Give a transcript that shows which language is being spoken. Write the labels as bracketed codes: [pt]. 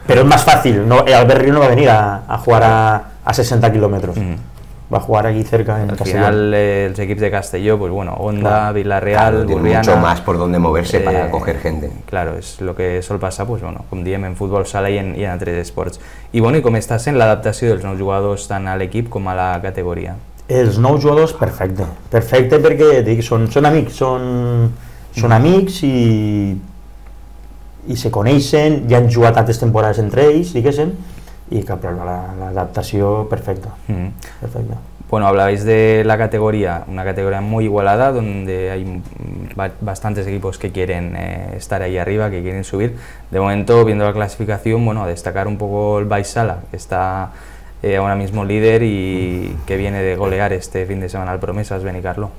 [es] Pero es más fácil, no, Albert Río no va a venir a jugar a 60 kilómetros, va a jugar aquí cerca en Castelló. Al final, los equipos de Castelló, pues bueno, Onda, claro. Villarreal, claro, Burriana. Mucho más por donde moverse para coger gente. Claro, es lo que sol pasa, pues bueno, con Diem en fútbol sala y en A3 Sports. Y bueno, ¿y cómo estás en la adaptación de los nuevos jugadores tanto al equipo como a la categoría? [ca] Els nous jugadors perfecte perquè dic, són amics amics i se coneixen, ja han jugat altres temporades entre ells, diguéssim, i que però l'adaptació perfecta. Perfecta. [es] Bueno, hablabais de la categoria, [ca] una categoria molt igualada [es] donde hay bastantes equipos que quieren estar ahí arriba, que quieren subir. De momento, viendo la clasificación, bueno, a destacar un poco el Baixala, que está ahora mismo líder y que viene de golear este fin de semana al Promesas, Benicarló.